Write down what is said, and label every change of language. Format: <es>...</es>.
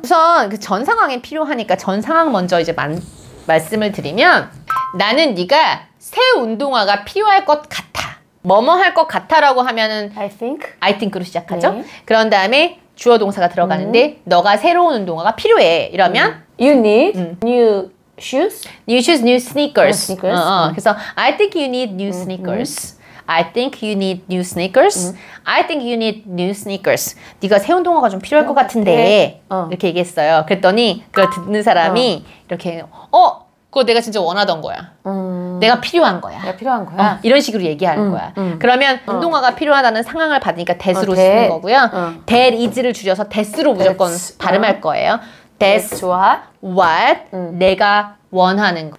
<ko>우선 그 전 상황에 필요하니까 전 상황 먼저 이제 말씀을 드리면 나는 네가 새 운동화가 필요할 것 같아. 뭐뭐 할 것 같아 라고 하면은</ko> <en>I think으로</en> <ko>시작하죠. 네. 그런 다음에 주어 동사가 들어가는데 너가 새로운 운동화가 필요해 이러면</ko> <en>You need new shoes? New shoes, new sneakers. So, I think you need new sneakers. I think you need new sneakers. I think you need new sneakers.</en> <ko>네가 새 운동화가 좀 필요할 것 같은데 이렇게 얘기했어요. 그랬더니 그걸 듣는 사람이 이렇게 그거 내가 진짜 원하던 거야. 내가 필요한 거야. 내가 필요한 거야. 이런 식으로 얘기하는 거야. 그러면 운동화가 필요하다는 상황을 받으니까 that으로 쓰는 거고요. That is를 줄여서 that으로 무조건 발음할 거예요.</ko> <en>That's what</en> <ko>내가 원하는 거.</ko>